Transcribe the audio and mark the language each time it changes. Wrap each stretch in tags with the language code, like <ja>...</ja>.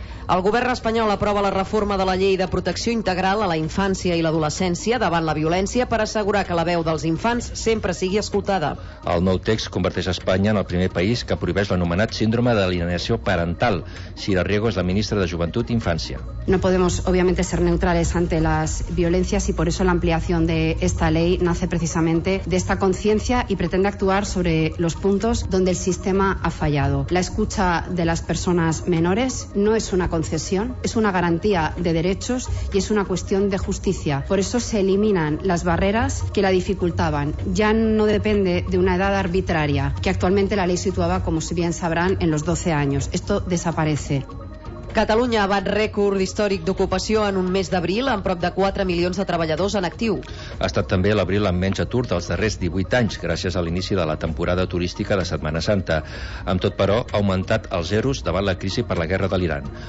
<ca>El govern espanyol aprova la reforma de la Llei de Protecció Integral a la Infància i l'Adolescència davant la violència per assegurar que la veu dels infants sempre sigui escoltada. El nou text converteix Espanya en el primer país que prohibeix l'anomenat síndrome d'alienació parental. Sira Riego és la ministra de Joventut i Infància.</ca> <es>No podemos, obviamente, ser neutrales ante las violencias y por eso la ampliación de esta ley nace precisamente de esta conciencia y pretende actuar sobre los puntos donde el sistema ha fallado. La escucha de las personas menores no es una concesión, es una garantía de derechos y es una cuestión de justicia. Por eso se eliminan las barreras que la dificultaban. Ya no depende de una edad arbitraria, que actualmente la ley situaba, como si bien sabrán, en los 12 años. Esto desaparece.</es> <ca>Catalunya ha bat rècord històric d'ocupació en un mes d'abril amb prop de 4 milions de treballadors en actiu. Ha estat també l'abril amb menys atur dels darrers 18 anys gràcies a l'inici de la temporada turística de Setmana Santa. Amb tot, però, ha augmentat els zeros davant la crisi per la guerra de l'Iran.</ca>